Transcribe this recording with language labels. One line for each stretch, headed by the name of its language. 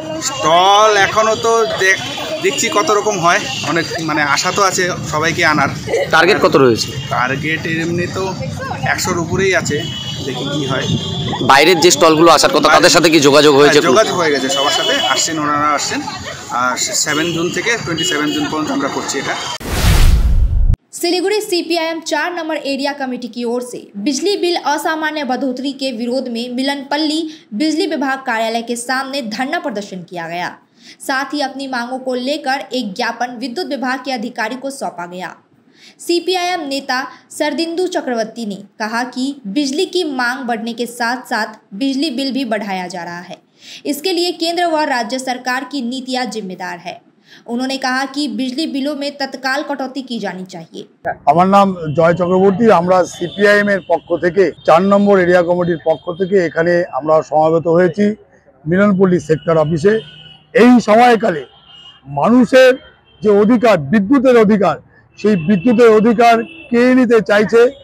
Bangla: Stall এখনও তো দেখছি কত রকম হয়, অনেক মানে আশা তো আছে সবাইকে আনার। টার্গেট কত রয়েছে? টার্গেট এমনি তো 100-এর উপরেই আছে, দেখি কী হয়। বাইরের যে স্টলগুলো আসার কথা তাদের সাথে কি যোগাযোগ হয়েছে? যোগাযোগ হয়ে গেছে সবার সাথে, আসছেন ওনারা আসছেন। আর 7 জুন থেকে 27 জুন পর্যন্ত আমরা করছি এটা।
Hindi: Siliguri CPIM 4 number area committee की ओर से बिजली बिल असामान्य बढ़ोतरी के विरोध में मिलनपल्ली बिजली विभाग कार्यालय के सामने धरना प्रदर्शन किया गया। साथ ही अपनी मांगों को लेकर एक ज्ञापन विद्युत विभाग के अधिकारी को सौंपा गया। CPIM नेता सरदिंदु चक्रवर्ती ने कहा कि बिजली की मांग बढ़ने के साथ साथ बिजली बिल भी बढ़ाया जा रहा है, इसके लिए केंद्र व राज्य सरकार की नीतियाँ जिम्मेदार है। उन्होंने कहा कि बिजली बिलों में तत्काल कटौती की जानी चाहिए।
Bangla: আমার নাম জয় চক্রবর্তী। আমরা CPIM এর পক্ষ থেকে 4 নম্বর এরিয়া কমিটির পক্ষ থেকে এখানে আমরা সমাবেত হয়েছি মিলনপল্লী সেক্টর অফিসে। এই সময়কালে মানুষের যে অধিকার, বিদ্যুতের অধিকার, সেই বিদ্যুতের অধিকার কে নিতে চাইছে?